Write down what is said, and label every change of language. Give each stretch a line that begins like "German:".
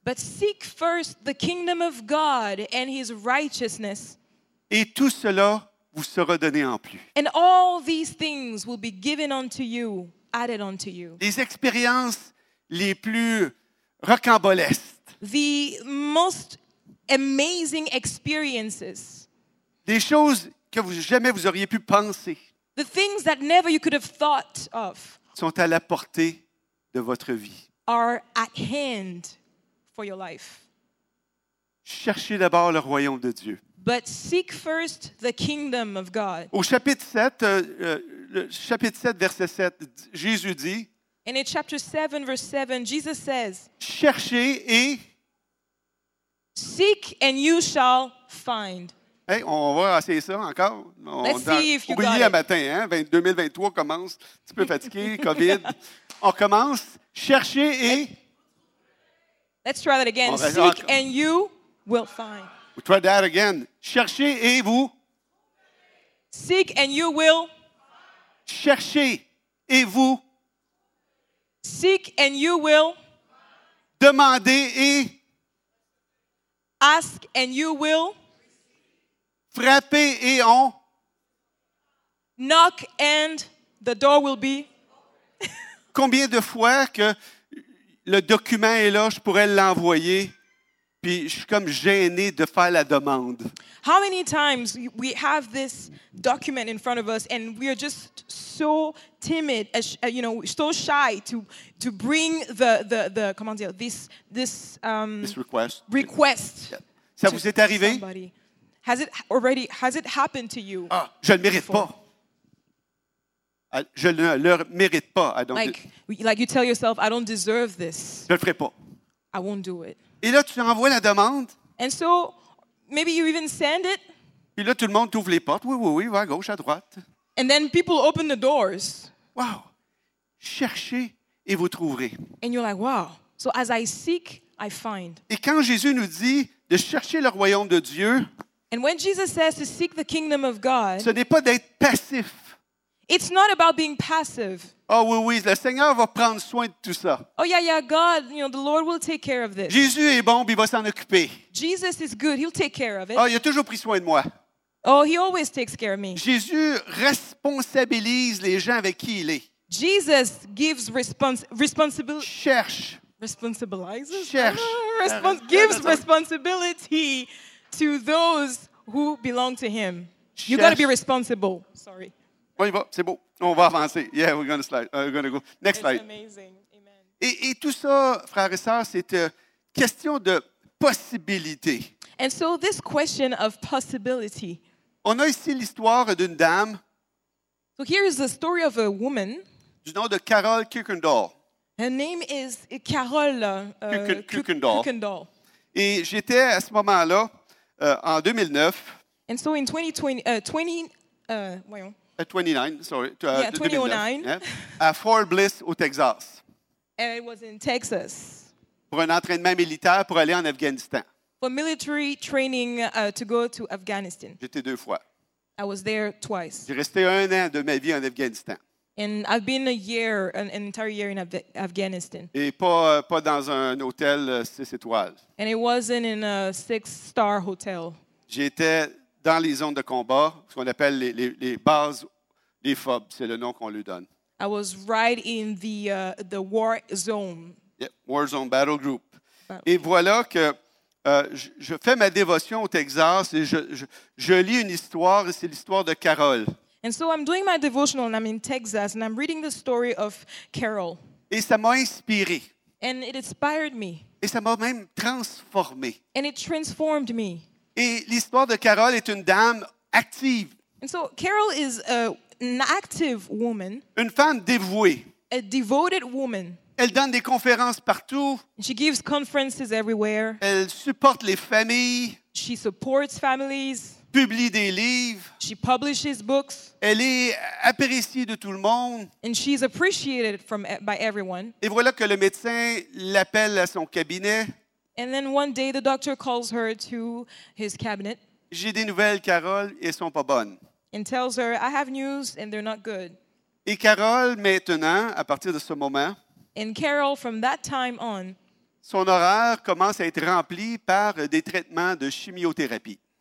English: But seek first the kingdom of God and his righteousness.
French: Et tout cela vous sera donné en plus.
English: And all these things will be given unto you, added unto you.
French: Les expériences les plus rocambolesques.
English: The most amazing experiences.
French: Des choses que vous jamais vous auriez pu penser.
English: The things that never you could have thought of
French: sont à la portée de votre vie.
English: Are at hand for your life.
French: Cherchez d'abord le royaume de Dieu.
English: But seek first the kingdom of God.
French: Au chapitre 7, chapitre 7, verset 7, Jésus dit.
English: And in chapter 7, verse 7, Jesus says.
French: Cherchez et.
English: Seek and you shall find.
French: Hey, on va essayer ça encore.
English: Let's see if you got it.
French: Un matin, hein? 2023 commence. Un petit peu fatigué, COVID. On commence. Cherchez et.
English: Let's try that again. Seek and you will find. We'll try that again.
French: Cherchez et vous.
English: Seek and you will.
French: Cherchez et vous.
English: Seek and you will.
French: Demandez et.
English: Ask and you will.
French: Frappez et on.
English: Knock and the door will be.
French: Combien de fois que le document est là, je pourrais l'envoyer, puis je suis comme gêné de faire la demande.
English: How many times we have this document in front of us and we are just so timid, you know, so shy to bring the
French: comment dire,
English: this request. Request.
French: Ça vous est arrivé?
English: Somebody. Has it happened to you?
French: Ah, je le mérite pas. Je ne le mérite pas.
English: I don't like you tell yourself, I don't deserve this.
French: Je le ferai pas.
English: I won't do it.
French: Et là, tu envoies la demande.
English: And so, maybe you even send it.
French: Puis là, tout le monde t'ouvre les portes. Oui, oui, oui, va à gauche, à droite.
English: And then people open the doors. Wow.
French: Cherchez et vous trouverez.
English: And you're like, wow. So as I seek, I find.
French: Et quand Jésus nous dit de chercher le royaume de Dieu.
English: And when Jesus says to seek the kingdom of God.
French: Ce n'est pas d'être passif.
English: It's not about being passive.
French: Oh oui, oui, le Seigneur va prendre soin de tout ça.
English: Oh yeah, yeah, God, you know, the Lord will take care of this.
French: Jésus est bon, puis il va s'en occuper.
English: Jesus is good, he'll take care of it.
French: Oh, il a toujours pris soin de moi.
English: Oh, he always takes care of me.
French: Jésus responsabilise les gens avec qui il est.
English: Jesus gives responsibility.
French: Cherche.
English: Responsibilizes?
French: Cherche.
English: Gives responsibility to those who belong to him.
French: Cherche.
English: You got to be responsible. Sorry.
French: On y va, c'est beau. On va avancer.
English: Yeah, we're going to slide. We're going to go. Next slide. It's amazing. Amen.
French: Et tout ça, frères et sœurs, c'est une question de possibilité.
English: And so this question of possibility.
French: On a ici l'histoire d'une dame.
English: So here is the story of a woman.
French: Du nom de Carol Kuykendall.
English: Her name is Carol Kuykendall.
French: Et j'étais à ce moment-là, en 2009.
English: And so in 2009,
French: à Fort Bliss, au Texas.
English: And it was in Texas.
French: Pour un entraînement militaire pour aller en Afghanistan.
English: For military training to go to Afghanistan.
French: J'étais deux fois.
English: I was there twice.
French: J'ai resté un an de ma vie en Afghanistan.
English: And I've been a year, an entire year in Afghanistan.
French: Et pas dans un hôtel 6 étoiles.
English: And it wasn't in a 6-star hotel.
French: J'étais dans les zones de combat, ce qu'on appelle les bases, les FOB, c'est le nom qu'on lui donne.
English: I was right in the war zone. Yep, war zone, battle group.
French: Et voilà que je fais ma dévotion au Texas et je lis une histoire, et c'est l'histoire de Carol.
English: And so I'm doing my devotional and I'm in Texas and I'm reading the story of Carol.
French: Et ça m'a inspiré.
English: And it inspired me.
French: Et ça m'a même transformé.
English: And it transformed me.
French: Et l'histoire de Carol est une dame active.
English: And so Carol is an active woman.
French: Une femme dévouée.
English: A devoted woman.
French: Elle donne des conférences partout.
English: She gives conferences everywhere.
French: Elle supporte les familles.
English: She supports families.
French: Publie des livres.
English: She publishes books.
French: Elle est appréciée de tout le monde.
English: And she's appreciated by everyone.
French: Et voilà que le médecin l'appelle à son cabinet.
English: And then one day the doctor calls her to his cabinet.
French: j'ai des nouvelles, Carole, et elles sont pas bonnes.
English: And tells her, I have news and they're not good.
French: Et Carole, maintenant, à partir de ce moment,
English: and Carol, from that time on,
French: son horaire commence à être rempli par des traitements de chimiothérapie.